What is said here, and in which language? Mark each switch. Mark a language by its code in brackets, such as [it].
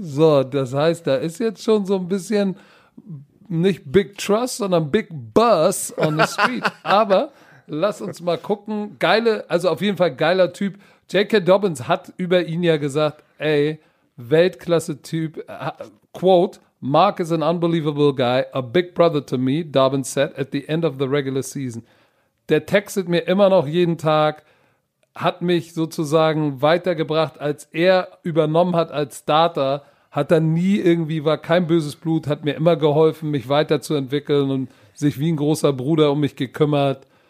[de] So, das heißt, da ist jetzt schon so ein bisschen, nicht Big Trust, sondern [en] Big Buzz on the Street. [de] Aber lass uns mal gucken. Also auf jeden Fall geiler Typ. J.K. Dobbins hat über ihn ja gesagt, Weltklasse-Typ. [en] Quote, Mark is an unbelievable guy, a big brother to me, Dobbins said at the end of the regular season. [de] Der textet mir immer noch jeden Tag, hat mich sozusagen weitergebracht, als er übernommen hat als Starter. Hat dann nie irgendwie, war kein böses Blut, hat mir immer geholfen, mich weiterzuentwickeln und sich wie ein großer Bruder um mich gekümmert.